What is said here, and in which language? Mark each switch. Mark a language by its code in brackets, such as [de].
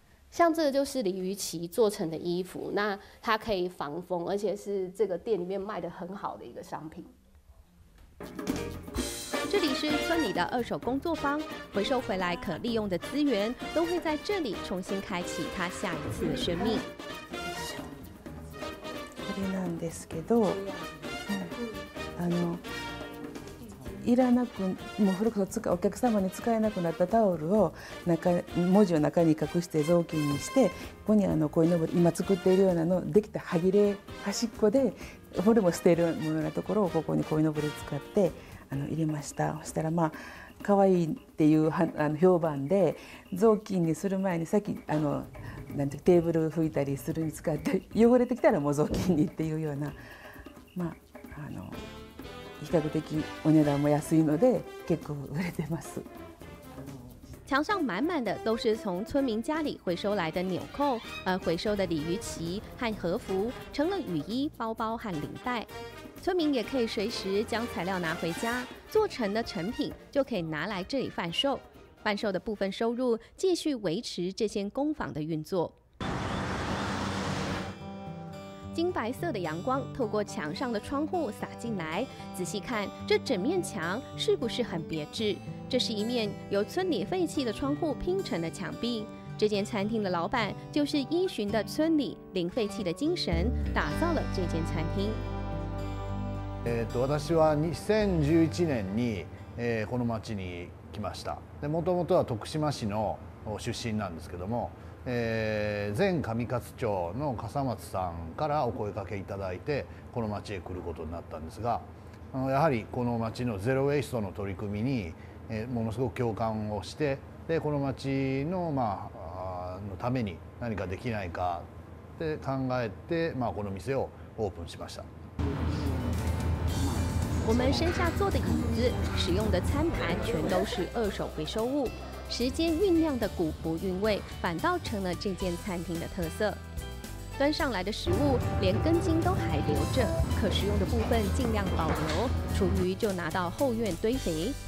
[zh] 像这个就是鲤鱼鳍做成的衣服，那它可以防风，而且是这个店里面卖的很好的一个商品。这里是村里的二手工作坊，回收回来可利用的资源都会在这里重新开启它下一次的生命。 [ja] これなんですけど、あの。いらなくもう古くお客様に使えなくなったタオルを中文字を中に隠して雑巾にして、ここにあの鯉のぼり今作っているようなのできた歯切れ端っこでフォルムを捨てるようなところをここに鯉のぼり使ってあの入れました。そしたらまあ可愛いっていうあの評判で、雑巾にする前にさっきあのなんてテーブル拭いたりするに使って汚れてきたらもう雑巾にっていうような、まああの比較的お値段も安いので結構売れてます。 [zh] 墙上满满的都是从村民家里回收来的纽扣，而回收的鲤鱼鳍和和服成了雨衣、包包和领带。村民也可以随时将材料拿回家，做成的成品就可以拿来这里贩售，贩售的部分收入继续维持这间工坊的运作。金白色的阳光透过墙上的窗户洒进来，仔细看这整面墙是不是很别致。这是一面由村里废弃的窗户拼成的墙壁，这间餐厅的老板就是依循的村里零废弃的精神打造了这间餐厅。 [ja] 私は2011年にこの町に来ました。もともとは徳島市の出身なんですけども、前上勝町の笠松さんからお声掛けいただいてこの町へ来ることになったんですが、やはりこの町のゼロウェイストの取り組みにものすごく共感をして、でこの町のまあのために何かできないかって考えて、まあこの店をオープンしました。 [zh] 我们身下坐的椅子、使用的餐盘全都是二手回收物。时间酝酿的古朴韵味反倒成了这间餐厅的特色。端上来的食物连根茎都还留着，可食用的部分尽量保留，厨余就拿到后院堆肥。